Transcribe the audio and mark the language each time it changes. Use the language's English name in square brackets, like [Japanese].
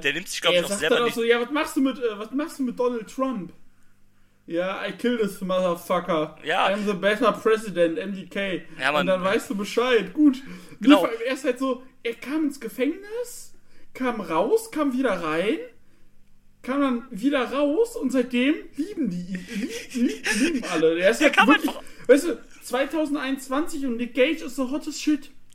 [German] der nimmt sich, glaube ich, auch selber nicht... So, ja, was machst du mit Donald Trump? [English] Ja, I kill this motherfucker. [German] Ja. [English] I'm the better president, MDK. [German] Ja, Mann. Und dann weißt du Bescheid. Gut. Genau. Er ist halt so, er kam ins Gefängnis, kam raus, kam wieder rein, kam dann wieder raus und seitdem lieben die ihn. Lieben alle. Er ist halt wirklich... Einfach... Weißt du, 2021 und Nick Gage ist [English] the hottest shit.